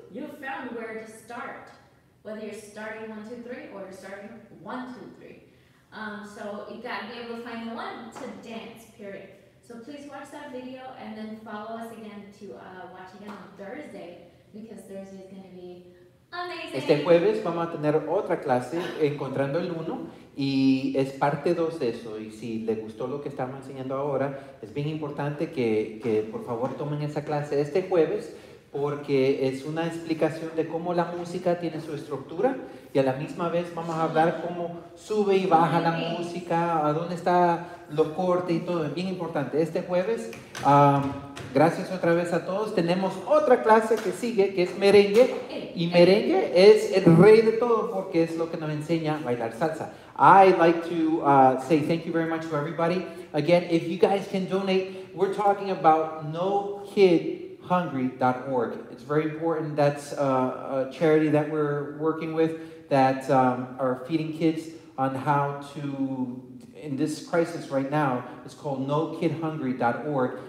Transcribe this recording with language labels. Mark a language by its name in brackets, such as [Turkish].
[English] You found where to start, whether you're starting one, two, three, or you're starting one, two, three. So you got to be able to find the one to dance, period. So please watch that video and then follow us again to watch again on Thursday, because Thursday is going to be amazing. [Spanish] Este jueves vamos a tener otra clase, Encontrando el Uno, y es parte 2 de eso. Y si les gustó lo que estamos enseñando ahora, es bien importante que por favor tomen esa clase este jueves, porque es una explicación de cómo la música tiene su estructura y a la misma vez vamos a hablar cómo sube y baja la música, a dónde está los cortes y todo. Es bien importante. Este jueves, gracias otra vez a todos, tenemos otra clase que sigue, que es merengue. Y merengue es el rey de todo porque es lo que nos enseña a bailar salsa. [English] I'd like to say thank you very much to everybody. Again, if you guys can donate, we're talking about nokidhungry.org. It's very important. That's a charity that we're working with that are feeding kids on how to, in this crisis right now, it's called nokidhungry.org.